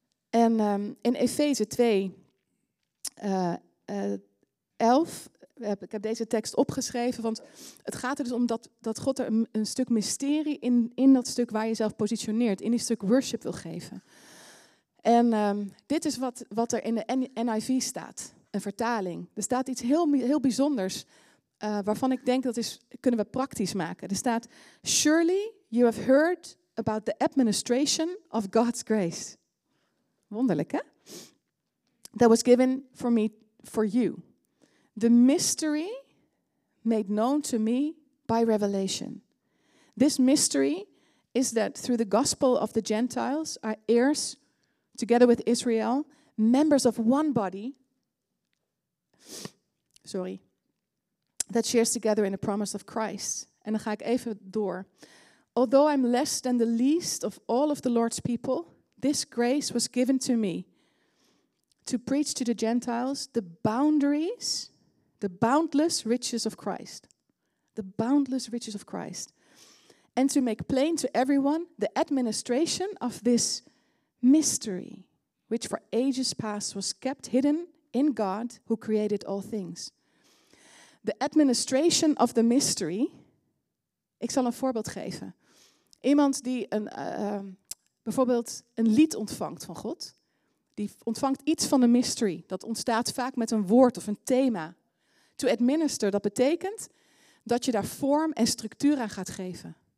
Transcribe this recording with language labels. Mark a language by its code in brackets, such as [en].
[nl] En in Efeze 2, 11, ik heb deze tekst opgeschreven, want het gaat er dus om dat God er een stuk mysterie in dat stuk waar je jezelf positioneert, in die stuk worship wil geven. En dit is wat er in de NIV staat, een vertaling. Er staat iets heel, heel bijzonders, waarvan ik denk dat is, kunnen we praktisch maken. Er staat, [en] surely you have heard about the administration of God's grace. [nl] Wonderlijk, hè? [en] That was given for me, for you. The mystery made known to me by revelation. This mystery is that through the gospel of the Gentiles, our heirs, together with Israel, members of one body, sorry, that shares together in the promise of Christ. [nl] En dan ga ik even door. [en] Although I'm less than the least of all of the Lord's people, this grace was given to me to preach to the Gentiles the boundaries, the boundless riches of Christ. The boundless riches of Christ. And to make plain to everyone the administration of this mystery, which for ages past was kept hidden in God who created all things. The administration of the mystery. [nl] Ik zal een voorbeeld geven. Iemand die bijvoorbeeld een lied ontvangt van God. Die ontvangt iets van de mystery. Dat ontstaat vaak met een woord of een thema. [en] To administer, [nl] dat betekent dat je daar vorm en structuur aan gaat geven.